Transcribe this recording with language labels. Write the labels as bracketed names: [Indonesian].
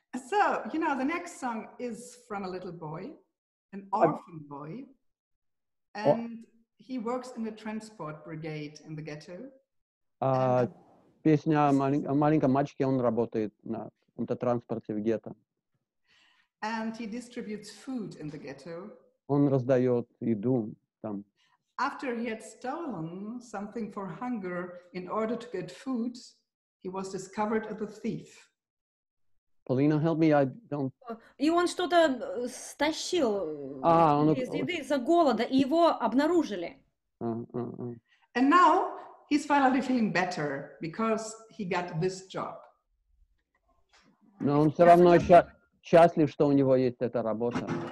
[English] So, you know, the next song is from a little boy, an orphan boy, and he works in the transport brigade in the ghetto. [Russian] Песня о маленьком мальчике, он работает на каком-то транспорте в гетто. [English] And he distributes food in the ghetto. [Russian] Он раздает еду там. [English] After he had stolen something for hunger in order to get food, he was discovered as a thief. Polina, help me, I don't... [Russian] И он что-то стащил из еды из-за голода, и его обнаружили. [English] And now he's finally feeling better because he got this job. [Russian] Но он все равно счастлив, что у него есть эта работа.